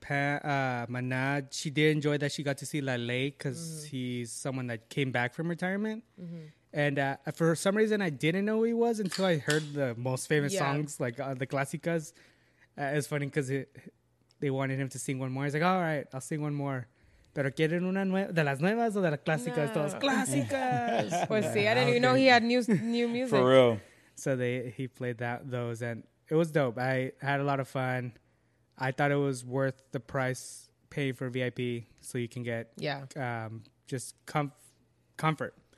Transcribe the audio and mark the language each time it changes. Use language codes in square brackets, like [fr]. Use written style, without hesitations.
[en] Maná, she did enjoy that she got to see La Ley because he's someone that came back from retirement. Mm-hmm. And for some reason, I didn't know who he was until I heard the most famous songs, like the Clásicas. It's funny because they wanted him to sing one more. He's like, all right, I'll sing one more. [es] Pero quieren una de las nuevas o de las clásicas? No. Todas clásicas. Pues sí, [en] I didn't even know he had new music. For real. So he played those, and it was dope. I had a lot of fun. I thought it was worth the price paid for VIP so you can get just comfort.